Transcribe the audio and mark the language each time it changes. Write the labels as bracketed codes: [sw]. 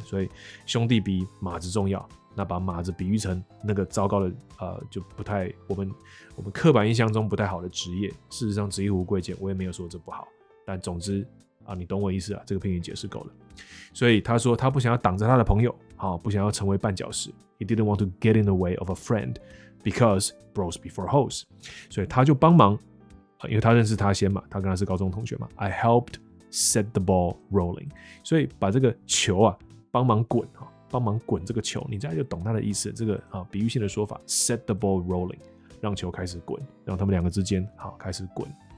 [zh] 所以兄弟比马子重要，那把马子比喻成那个糟糕的就不太我们刻板印象中不太好的职业，事实上执一壶贵贱，我也没有说这不好，但总之啊，你懂我意思啊，这个片语解释够了。所以他说他不想要挡着他的朋友，好，不想要成为绊脚石。 [en] He didn't want to get in the way of a friend because bros before hoes. [zh] 所以他就帮忙，因为他认识他先嘛，他跟他是高中同学嘛。 [en] I helped set the ball rolling. [zh] 所以把这个球啊帮忙滚，帮忙滚这个球，你这样就懂他的意思。这个比喻性的说法 ， [en] set the ball rolling， [zh] 让球开始滚，让他们两个之间好开始滚。